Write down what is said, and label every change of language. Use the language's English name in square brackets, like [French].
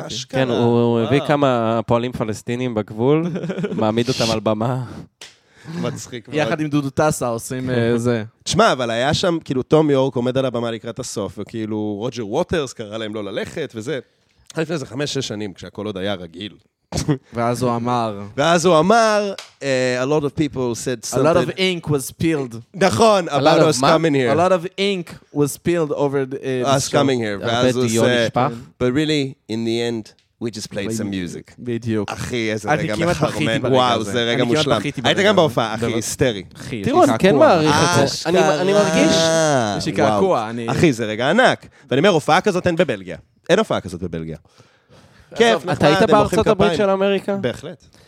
[Hebrew] כן, הוא הביא כמה פועלים פלסטינים בגבול, מעמיד אותם על במה. מצחיק. יחד עם דודו טסה עושים זה. תשמע, אבל היה שם, כאילו, טום יורק עומד על הבמה לקראת הסוף, וכאילו, רוג'ר ווטרס קרא להם לא ללכת, וזה. לפני איזה 5-6 שנים, כשהכל עוד היה רגיל. ואז הוא אמר. ואז הוא אמר, [English] a lot of people said something. A lot of ink was spilled. [Hebrew] נכון, [English] about us coming here. A lot of ink was spilled over us coming here. [Hebrew] ואז הוא עושה, [English] but really, in the end, we just played some music. [Hebrew] בדיוק. אחי, איזה רגע מחרמן. וואו, זה רגע מושלם. היית גם בהופעה, אחי, היסטרי. תראו, אני כן מעריך את זה. אני מרגיש שקעקוע. אחי, זה רגע ענק. ואני אומר, הופעה כזאת אין בבלגיה. אין הופעה כזאת בבלגיה. כיף, נחמד. אתה היית בארצות הברית של אמריקה? בהחלט.